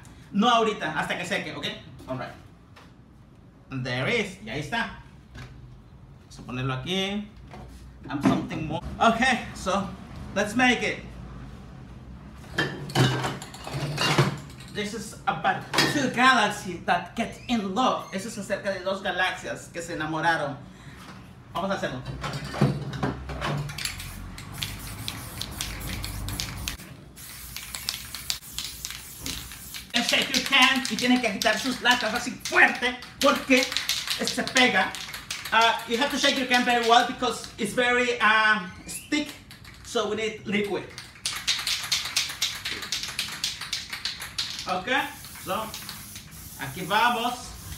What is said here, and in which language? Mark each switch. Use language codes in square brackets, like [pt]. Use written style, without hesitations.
[es] No ahorita, hasta que seque, [en] okay? All right. And there is, [es] y ahí está. Vamos a ponerlo aquí. [en] I'm something more. Okay, so let's make it. This is about 2 galaxies that get in love. [es] Eso es acerca de 2 galaxias que se enamoraron. Vamos a hacerlo. [en] Shake your hand. [es] Y tiene que agitar sus latas así fuerte porque se pega. [en] You have to shake your can very well because it's very thick, so we need liquid. [es] Okay, so aquí vamos.